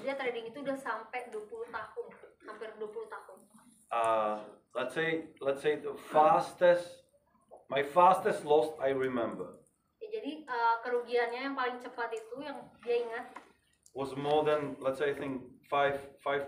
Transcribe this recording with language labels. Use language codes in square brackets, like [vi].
[id] Jadi trading itu udah sampai 20 tahun, hampir 20 tahun. [en] Let's say the fastest, my fastest loss I remember. [id] Jadi kerugiannya yang paling cepat itu yang dia ingat [en] was more than let's say I think $5,000.